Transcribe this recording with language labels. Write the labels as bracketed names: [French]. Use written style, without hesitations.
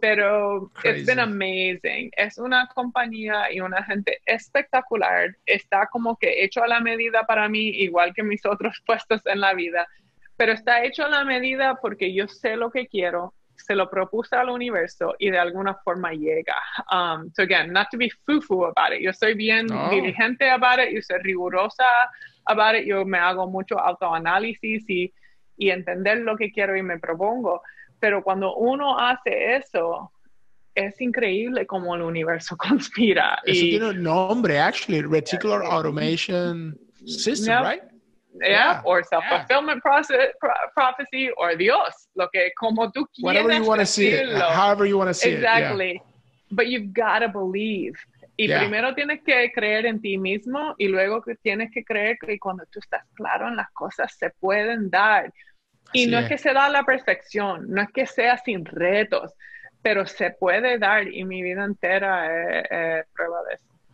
[Spanish] Pero crazy. [English] It's been amazing. [Spanish] Es una compañía y una gente espectacular. Está como que hecho a la medida para mí, igual que mis otros puestos en la vida. Pero está hecho a la medida porque yo sé lo que quiero, se lo propuse al universo y de alguna forma llega. [English] So again, not to be foo-foo about it. [Spanish] Yo soy bien diligente [English] about it. [Spanish] Yo soy rigurosa about it. Yo me hago mucho autoanálisis y entender lo que quiero y me propongo. Pero cuando uno hace eso, es increíble cómo el universo conspira. Eso y, tiene un nombre, actually. Reticular Automation System, yep. Right? [English] Yeah, yeah, or self-fulfillment prophecy, or Dios, [Spanish] lo que como tú quieres. [English] Whatever you want to see it, however you want to see exactly. Exactly. Yeah. But you've got to believe. [Spanish] Y primero tienes que creer en ti mismo, y luego que tienes que creer que cuando tú estás claro en las cosas, se pueden dar. Y así no es que se da la perfección, no es que sea sin retos, pero se puede dar, y mi vida entera es prueba de eso.